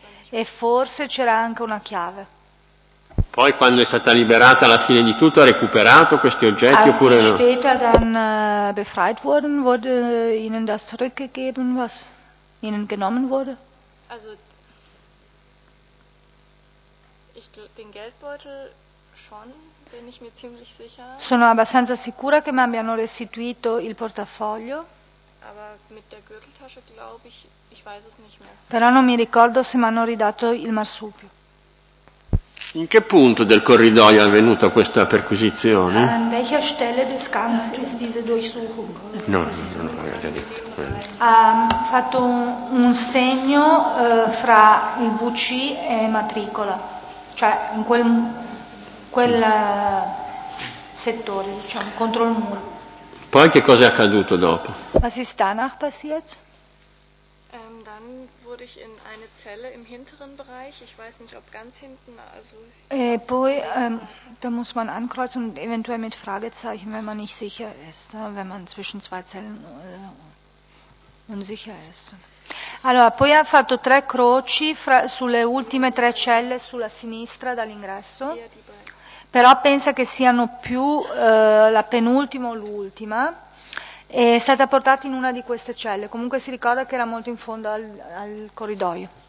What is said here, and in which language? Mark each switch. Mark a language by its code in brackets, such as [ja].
[it] E forse c'era anche una chiave. Poi quando è stata liberata alla fine di tutto ha recuperato questi oggetti oppure no? [de] Später dann befreit wurden, wurde ihnen das zurückgegeben, was ihnen genommen wurde? Also den Geldbeutel schon, bin ich mir ziemlich sicher. [it] Sono abbastanza sicura che mi abbiano restituito il portafoglio. [de] Aber mit der Gürteltasche glaube ich, ich weiß es nicht mehr. [it] Però non mi ricordo se mi hanno ridato il marsupio. In che punto del corridoio è avvenuta questa perquisizione? [de] An welcher Stelle des Ganges ist diese Durchsuchung? [it] No, fatto un segno fra il WC e matricola. Cioè, in quel settore, diciamo, contro il muro. Poi che cosa è accaduto dopo? Was ist danach passiert? [de] Dann wurde ich in eine Zelle im hinteren Bereich, ich weiß nicht, ob ganz hinten, also... Poi, da muss man ankreuzen und eventuell mit Fragezeichen, wenn man nicht sicher ist, wenn man zwischen zwei Zellen unsicher ist. [it] Allora, poi ha fatto tre croci sulle ultime tre celle sulla sinistra dall'ingresso, però pensa che siano più la penultima o l'ultima, e è stata portata in una di queste celle, comunque si ricorda che era molto in fondo al corridoio.